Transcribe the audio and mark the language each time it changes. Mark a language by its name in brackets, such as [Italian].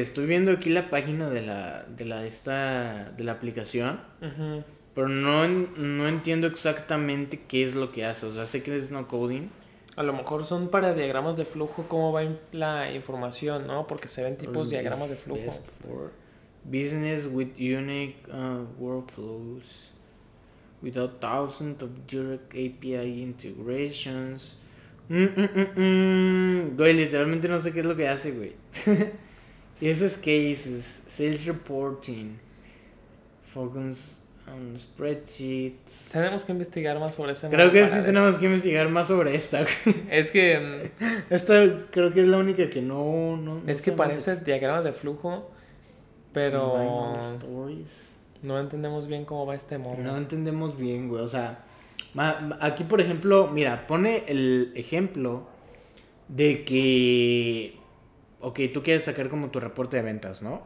[Spanish] Estoy viendo aquí la página de la aplicación. Uh-huh. Pero no entiendo exactamente qué es lo que hace. O sea, sé que es no coding. A lo mejor son para diagramas de flujo, cómo va la información, ¿no? Porque se ven tipos diagramas de flujo. [English] Best for business with unique workflows. Without thousands of direct API integrations. [Spanish] Güey, literalmente no sé qué es lo que hace, güey. Y esos [English] cases, sales reporting, focus on spreadsheets. [Spanish] Tenemos que investigar más sobre ese. Creo que sí tenemos que investigar más sobre esta, güey. Es que esto creo que es la única que no es que parece diagrama de flujo, pero no entendemos bien cómo va este modo. No entendemos bien, güey, o sea, aquí, por ejemplo, mira, pone el ejemplo de que, ok, tú quieres sacar como tu reporte de ventas, ¿no?